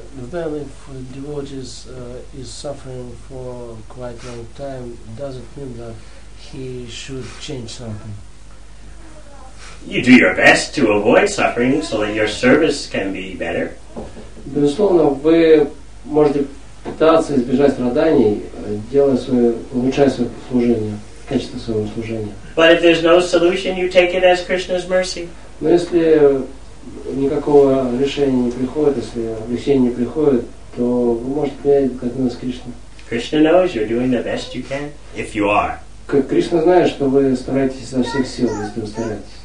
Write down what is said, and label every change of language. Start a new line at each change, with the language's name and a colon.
English: Then if devotees is suffering for quite a long time, does it mean that he should change something? You do your best to avoid suffering so that your service can be better.
Russian: Безусловно, вы можете пытаться избежать страданий, делая свое, улучшая свое служение, качество своего служения.
English: But if there's no solution, you take it as Krishna's mercy.
Russian: Но если никакого решения не приходит, если облегчение не приходит, то вы можете принять как милость Кришны.
English: Krishna knows you're doing the best you can, if you are.
Russian: Кришна знает, что вы стараетесь изо всех сил, если вы стараетесь.